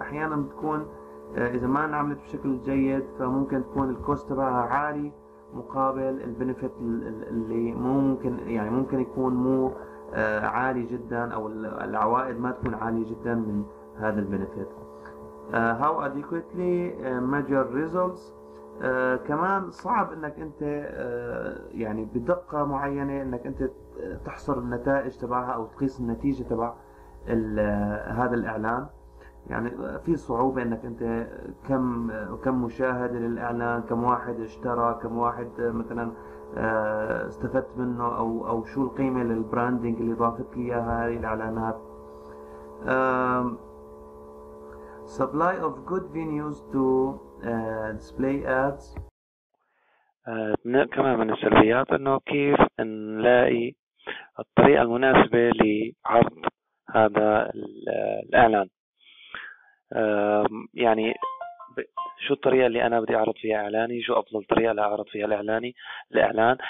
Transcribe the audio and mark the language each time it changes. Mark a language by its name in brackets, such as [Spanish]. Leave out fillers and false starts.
[Arabic] احيانا بتكون اذا ما انعملت بشكل جيد، فممكن تكون الكوست تبعها عالي مقابل البنفيت اللي ممكن، يعني ممكن يكون مو عالي جدا او العوائد ما تكون عالية جدا من هذا البنفيت. [English] How adequately measure results. [Arabic] كمان صعب انك انت يعني بدقة معينة انك انت تحصر النتائج تبعها او تقيس النتيجة تبع هذا الاعلان. يعني في صعوبة انك انت كم مشاهد للاعلان، كم واحد اشترى، كم واحد مثلا استفدت منه، او شو القيمة للبراندينج اللي ضافت ليها هذه الاعلانات. [English] Supply of good venues to display ads. [Arabic] كمان من السلبيات انه كيف نلاقي الطريقة المناسبة لعرض هذا الاعلان. يعني شو الطريقة اللي انا بدي اعرض فيها اعلاني، شو افضل طريقة لاعرض فيها الاعلان.